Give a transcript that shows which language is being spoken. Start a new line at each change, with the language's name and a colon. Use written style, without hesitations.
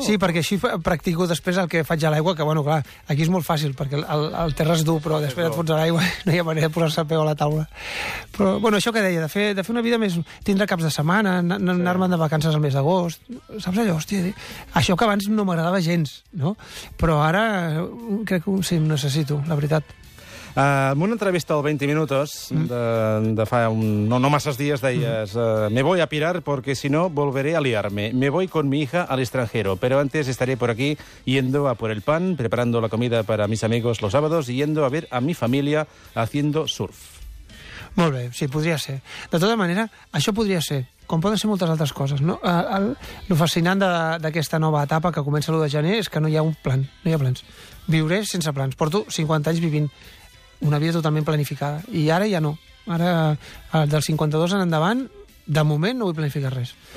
Catalan: Sí, perquè així practico després el que faig a l'aigua, que, bueno, clar, aquí és molt fàcil, perquè el terra és dur, però després et fots a l'aigua i no hi ha manera de posar-se peu a la taula. Però, bueno, això que deia, de fer una vida més... Tindre caps de setmana, anar-me'n de vacances al mes d'agost... Saps allò, hòstia? Això que abans no m'agradava gens, no? Però ara crec que sí, ho necessito, la veritat. En una entrevista al 20 Minutos, de fa no massa dies, deies
Spanish: me voy a pirar porque si no volveré a liarme. Me voy con mi hija al extranjero, pero antes estaré por aquí yendo a por el pan, preparando la comida para mis amigos los sábados y yendo a ver a mi familia haciendo surf.
Catalan: Molt bé, sí, podria ser. De tota manera, això podria ser, com poden ser moltes altres coses, no? El fascinant d'aquesta nova etapa que comença l'1 de gener és que no hi ha un plan, no hi ha plans. Viuré sense plans. Porto 50 anys vivint una vida totalment planificada. I ara ja no. Ara, dels 52 en endavant, de moment no vull planificar res.